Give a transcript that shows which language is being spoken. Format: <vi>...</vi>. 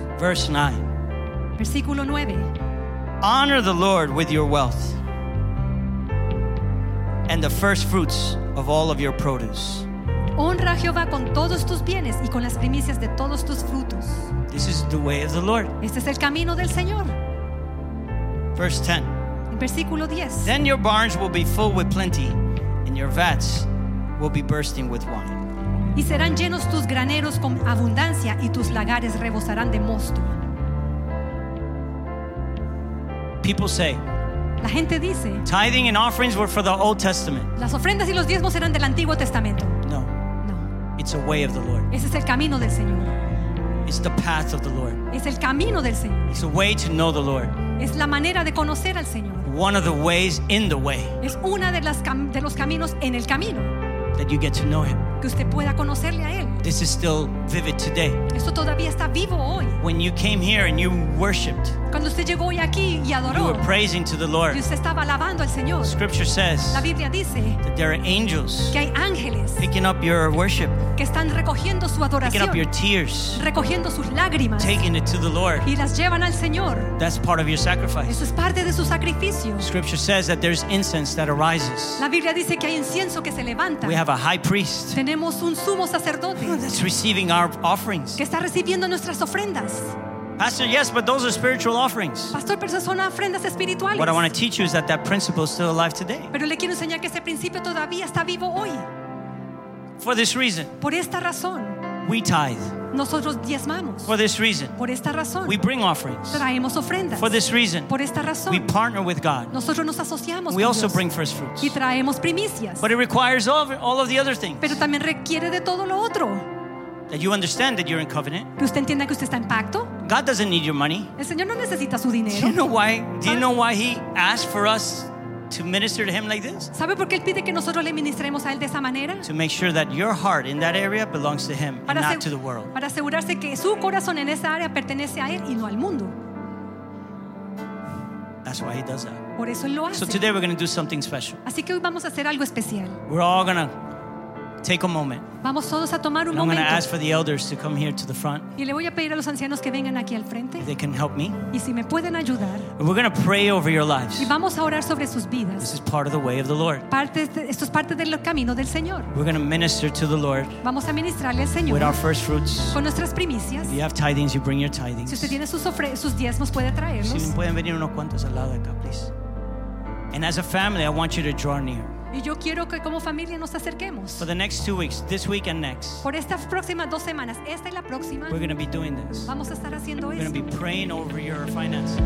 <en>Verse 9.</en> <es>Versículo 9.</es> <en>Honor the Lord with your wealth and the first fruits of all of your produce.</en> <es>Honra a Jehová con todos tus bienes y con las primicias de todos tus frutos.</es> <en>This is the way of the Lord.</en> <es>Este es el camino del Señor.</es> <en>Verse 10.</en> <es>En versículo 10.</es> <en>Then your barns will be full with plenty and your vats will be bursting with wine.</en> <es>Y serán llenos tus graneros con abundancia y tus lagares rebosarán de mosto.</es> <en>People say,</en> <es>la gente dice,</es> <en>tithing and offerings were for the Old Testament.</en> <es>Las ofrendas y los diezmos eran del Antiguo Testamento.</es> <en>No.</en> <es>No.</es> <en>It's a way of the Lord.</en> <es>Ese es el camino del Señor.</es> <en>It's the path of the Lord.</en> <es>Es el camino del Señor.</es> <en>It's a way to know the Lord.</en> <es>Es la manera de conocer al Señor.</es> <en>One of the ways in the way.</en> <es>Es una de las de los caminos en el camino.</es> <en>That you get to know him.</en> <es>Que usted pueda conocerle a él.</es> <en>This is still vivid today.</en> <es>Esto todavía está vivo hoy.</es> <en>When you came here and you worshiped.</en> <es>Cuando usted llegó hoy aquí y adoró.</es> <en>You were praising to the Lord.</en> <es>Y usted estaba alabando al Señor.</es> <en>Scripture says.</en> <es>La Biblia dice.</es> <en>That there are angels.</en> <es>Que hay ángeles.</es> <en>Picking up your worship.</en> <es>Que están recogiendo su adoración.</es> <en>Picking up your tears.</en> <es>Recogiendo sus lágrimas.</es> <en>Taking it to the Lord.</en> <es>Y las llevan al Señor.</es> <en>That's part of your sacrifice.</en> <es>Eso es parte de su sacrificio.</es> <en>Scripture says that there's incense that arises.</en> <es>La Biblia dice que hay incienso que se levanta.</es> <en>We have a high priest.</en> <es>Tenemos un sumo sacerdote.</es> <en>That's receiving our offerings.</en> <es>Que está recibiendo nuestras ofrendas.</es> <en>Pastor, yes, but those are spiritual offerings.</en> <es>Pastor, pero son ofrendas espirituales.</es> <en>What I want to teach you is that that principle is still alive today.</en> <es>Pero le quiero enseñar que ese principio todavía está vivo hoy.</es> <en>For this reason.</en> <es>Por esta razón.</es> <en>We tithe.</en> <es>Nosotros diezmamos.</es> <en>For this reason.</en> <es>Por esta razón.</es> <en>We bring offerings.</en> <es>Traemos ofrendas.</es> <en>For this reason.</en> <es>Por esta razón.</es> <en>We partner with God.</en> <es>Nosotros nos asociamos con Dios.</es> <en>We also bring first fruits.</en> <es>Y traemos primicias.</es> <en>But it requires all of the other things.</en> <es>Pero también requiere de todo lo otro.</es> <en>That you understand that you're in covenant.</en> <es>Que usted entienda que usted está en pacto.</es> <en>God doesn't need your money.</en> <es>El Señor no necesita su dinero.</es> <en>Do you know why? Do you know why he asked for us to minister to him like this?</en> <es>¿Sabe por qué él pide que nosotros le ministremos a él de esa manera?</es> <en>To make sure that your heart in that area belongs to him and not to the world.</en> <es>Para asegurarse que su corazón en esa área pertenece a él y no al mundo.</es> <en>That's why he does that.</en> <es>Por eso él lo hace.</es> <en>So today we're going to do something special.</en> <es>Así que hoy vamos a hacer algo especial.</es> <en>We're all going to take a moment.</en> <es>Vamos todos a tomar un</es> <en>I'm</en> <es>momento.</es> <en>I'm going to ask for the elders to come here to the front.</en> <es>Y le voy a pedir a los ancianos que vengan aquí al frente.</es> <en>If they can help me.</en> <es>Y si me pueden ayudar.</es> <en>And we're going to pray over your lives.</en> <es>Y vamos a orar sobre sus vidas.</es> <en>This is part of the way of the Lord.</en> <es>Esto es parte del camino del Señor.</es> <en>We're going to minister to the Lord.</en> <es>Vamos a ministrarle al Señor.</es> <en>With our first fruits.</en> <es>Con nuestras primicias.</es> <en>If you have tithings, you bring your tithings.</en> <es>Si usted tiene sus diezmos, puede traerlos. Si me pueden venir unos cuantos al lado de acá, please.</es> <en>And as a family, I want you to draw near.</en> <es>Y yo quiero que como familia nos acerquemos.</es> <en>For the next 2 weeks, this week and next.</en> <es>Por estas próximas dos semanas, esta y la próxima.</es> <en>We're going to be doing this.</en> <es>Vamos a estar haciendo</es> <en>esto. We're going to be praying over your finances.</en>